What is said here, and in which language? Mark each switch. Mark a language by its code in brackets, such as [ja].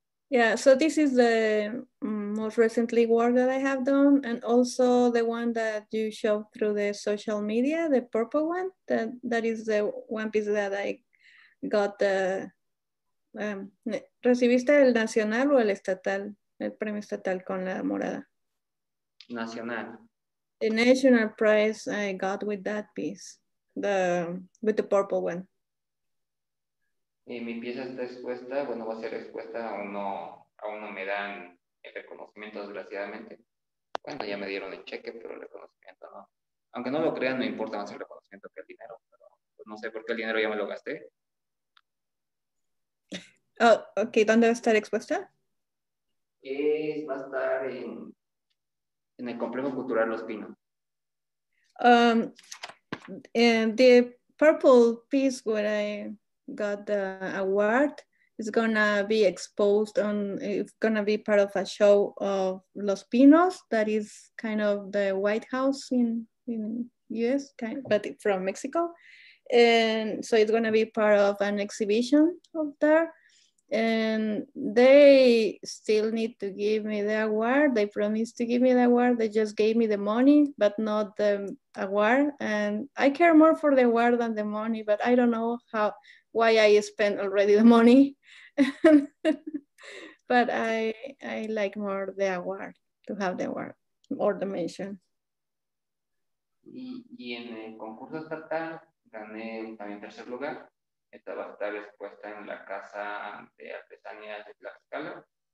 [en] Yeah, so this is the most recently work that I have done, and also the one that you showed through the social media, the purple one, that is the one piece that I got the [es] recibiste el nacional o el estatal, el premio estatal con la morada. Nacional. [en] The national prize I got with that piece, with the purple one. [es] Y mi pieza está expuesta, bueno, va a ser expuesta, aún no me dan el reconocimiento, desgraciadamente. Bueno, ya me dieron el cheque, pero el reconocimiento no. Aunque no lo crean, no importa más el reconocimiento que el dinero, pero pues no sé por qué el dinero ya me lo gasté. Oh, ok, ¿dónde va a estar expuesta? Va a estar en el Complejo Cultural Los Pinos. [en] And the purple piece where I got the award is gonna be exposed on, it's gonna be part of a show of Los Pinos, that is kind of the White House in US, kind of, but from Mexico. And so it's gonna be part of an exhibition up there. And they still need to give me the award. They promised to give me the award. They just gave me the money, but not the award. And I care more for the award than the money, but I don't know why I spent already the money. But I like more the award, to have the award or the mention. [es] Y en el concurso estatal gané también tercer lugar. Esta va a estar expuesta en la Casa de Artesanía de Tlaxcala.